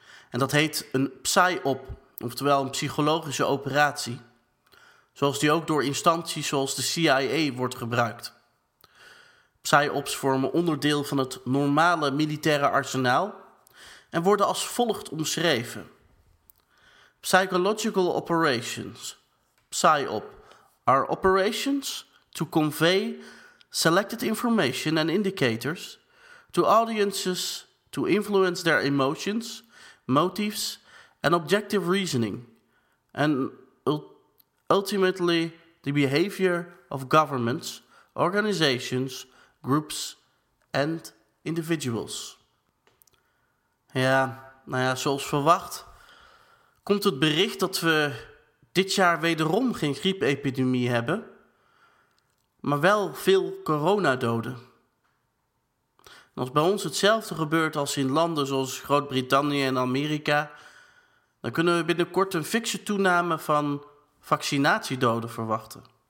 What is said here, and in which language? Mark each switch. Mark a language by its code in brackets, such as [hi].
[nl] En dat heet een psy-op, oftewel een psychologische operatie. Zoals die ook door instanties zoals de CIA wordt gebruikt. Psy-ops vormen onderdeel van het normale militaire arsenaal en worden als volgt omschreven. [en] Psychological operations, psy-op, are operations to convey selected information and indicators to audiences to influence their emotions, motives and objective reasoning and ultimately the behavior of governments, organizations, groups and individuals. [nl] Ja, nou ja, zoals verwacht komt het bericht dat we dit jaar wederom geen griepepidemie hebben, maar wel veel coronadoden. En als bij ons hetzelfde gebeurt als in landen zoals Groot-Brittannië en Amerika, dan kunnen we binnenkort een fikse toename van vaccinatiedoden verwachten.